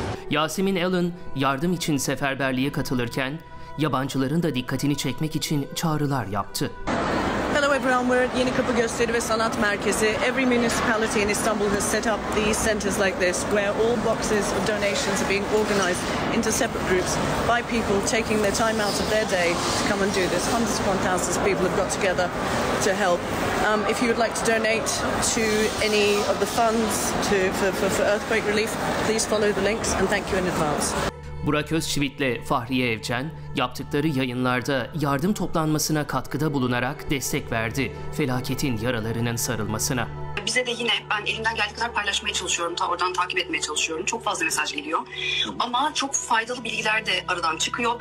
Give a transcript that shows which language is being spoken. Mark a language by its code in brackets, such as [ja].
[tr] Yasemin Allen yardım için seferberliğe katılırken yabancıların da dikkatini çekmek için çağrılar yaptı. [en] Hello everyone, we're at Yeni Kapı Gösteri ve Sanat Merkezi. Every municipality in Istanbul has set up these centers like this where all boxes of donations are being organized into separate groups by people taking their time out of their day to come and do this. Hundreds upon thousands of people have got together to help. If you would like to donate to any of the funds for earthquake relief, please follow the links and thank you in advance. [tr] Burak Özçivit'le Fahriye Evcen yaptıkları yayınlarda yardım toplanmasına katkıda bulunarak destek verdi. Felaketin yaralarının sarılmasına. Bize de yine ben elimden geldiği kadar paylaşmaya çalışıyorum. Oradan takip etmeye çalışıyorum. Çok fazla mesaj geliyor. Ama çok faydalı bilgiler de aradan çıkıyor.